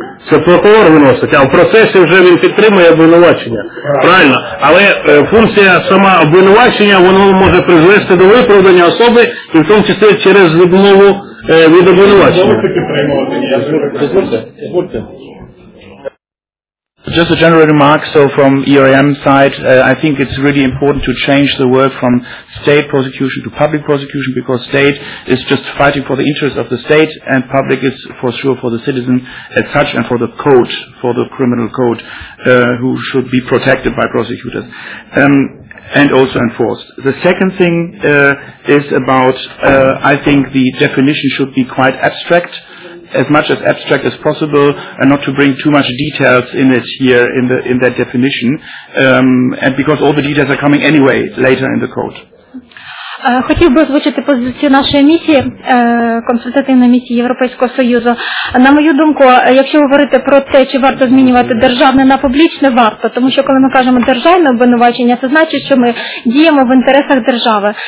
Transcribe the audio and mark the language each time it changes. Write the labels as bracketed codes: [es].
[uk] Це прокурор виносить, а в процесі вже він підтримує обвинувачення. Правильно. Але функція сама обвинувачення, воно може призвести до виправдання особи, і в тому числі через відмову від обвинувачення. [en] Just a general remark, so from EOM side, I think it's really important to change the word from state prosecution to public prosecution, because state is just fighting for the interests of the state, and public is for sure for the citizen as such, and for the code, for the criminal code, who should be protected by prosecutors, and also enforced. The second thing is about, I think the definition should be quite abstract, as much as abstract as possible, and not to bring too much details in it here in that definition, and because all the details are coming anyway later in the code. [uk] Хотів би озвучити позицію нашої місії, консультативної місії Європейського Союзу. На мою думку, якщо говорити про те, чи варто змінювати державне на публічне, варто. Тому що, коли ми кажемо державне обвинувачення, це значить, що ми діємо в інтересах держави.